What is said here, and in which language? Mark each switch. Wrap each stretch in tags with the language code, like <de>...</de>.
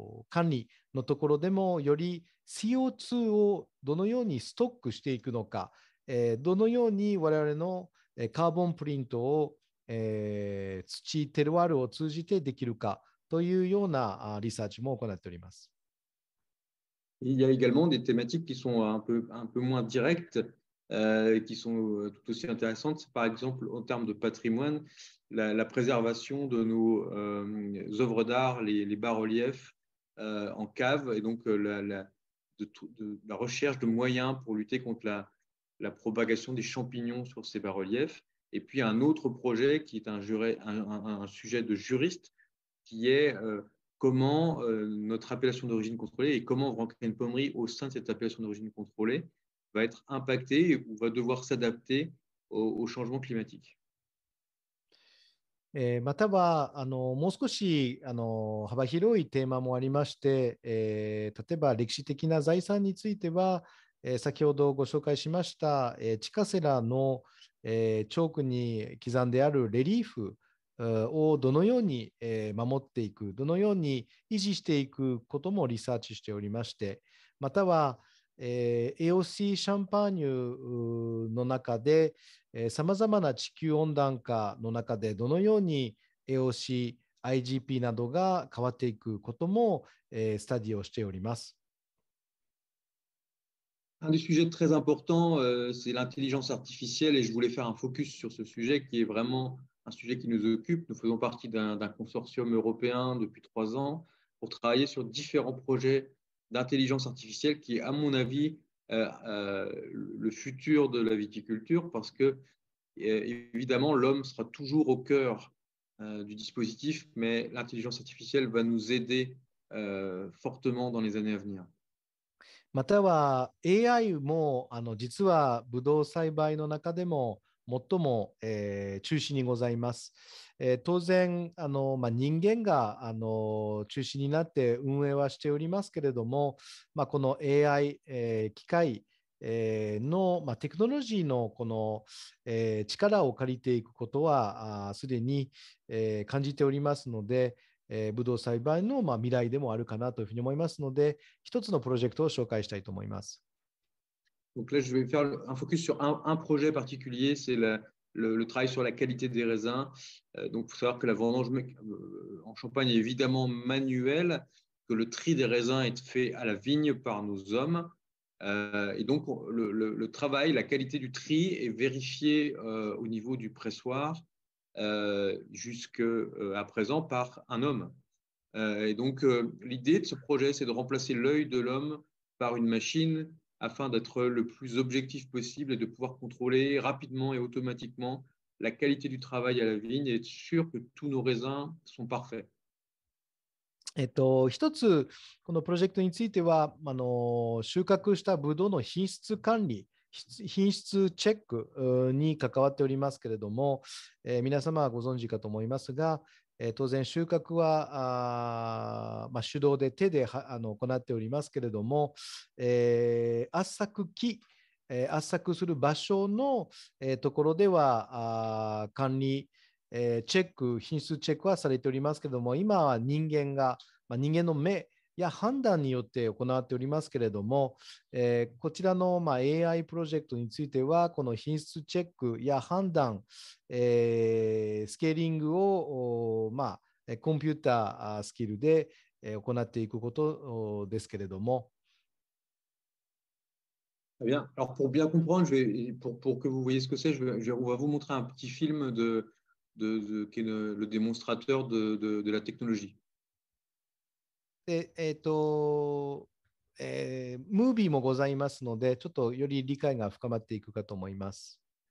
<ja>管理のところでもより CO2 をどのようにストックしていくのか、どのように我々のカーボンプリントを土テルワールを通じてできるかというようなリサーチも行っております。</ja> <fr>Il y a également des thématiques qui sont un peu moins directes、qui sont tout aussi intéressantes. Par exemple, en termes de patrimoine,La préservation de nos œuvres d'art, les bas-reliefs en cave, et donc la recherche de moyens pour lutter contre la propagation des champignons sur ces bas-reliefs. Et puis un autre projet qui est un sujet de juriste, qui est comment notre appellation d'origine contrôlée et comment Vranquerie Pommerie au sein de cette appellation d'origine contrôlée va être impactée ou va devoir s'adapter au changement climatique.</fr> <ja>またはもう少し幅広いテーマもありまして、例えば歴史的な財産については、先ほどご紹介しました、チカセラの、チョークに刻んであるレリーフをどのように、守っていく、どのように維持していくこともリサーチしておりまして、または、AOC シャンパーニュの中で、さまざまな地球温暖化の中でどのように AOC、IGP などが変わっていくことも、スタディをしております。</ja> <fr>Un des sujets très importants, c'est l'intelligence artificielle, et je voulais faire un focus sur ce sujet qui est vraiment un sujet qui nous occupe. Nous faisons partie d'un consortium européen depuis 3 ans pour travailler sur différents projets d'intelligence artificielle qui est, à mon avis, le futur de la viticulture, parce que évidemment l'homme sera toujours au cœur du dispositif, mais l'intelligence artificielle va nous aider fortement dans les années à venir.</fr> <ja>または AI も実はブドウ栽培の中でも最も、中心にございます。当然まあ、人間が中心になって運営はしておりますけれども、まあ、この AI、機械、の、まあ、テクノロジーのこの、力を借りていくことはすでに、感じておりますので、ブドウ栽培の、まあ、未来でもあるかなというふうに思いますので、一つのプロジェクトを紹介したいと思います。</ja> <fr>Donc là, je vais faire un focus sur un projet particulier, c'est le travail sur la qualité des raisins. Donc, il faut savoir que la vendange en Champagne est évidemment manuelle, que le tri des raisins est fait à la vigne par nos hommes. Et donc, le travail, la qualité du tri est vérifiée au niveau du pressoir jusqu'à présent par un homme. Et donc, l'idée de ce projet, c'est de remplacer l'œil de l'homme par une machine. Afin d'être le plus objectif possible et de pouvoir contrôler rapidement et automatiquement la qualité du travail à la vigne et être sûr que tous nos raisins sont parfaits.</fr> <ja>一つこのプロジェクトについては収穫したブドウの品質管理、品質チェックに関わっておりますけれども、皆様はご存知かと思いますが、当然収穫は、まあ、手動で手で行っておりますけれども、圧搾機、圧搾する場所の、ところでは管理、チェック、品質チェックはされておりますけれども、今は人間が、まあ、人間の目や判断によって行っておりますけれども、こちらのまあ AI プロジェクトについては、この品質チェックや判断、スケーリングをまあコンピュータースキルで行っていくことですけれども、</ja> <fr>Très bien. Alors pour bien comprendre, je vais, pour que vous voyez ce que c'est, on va vous montrer un petit film de qui est le démonstrateur de la technologie.</fr> <ja>ムービーもございますので、ちょっとより理解が深まっていくかと思います。</ja>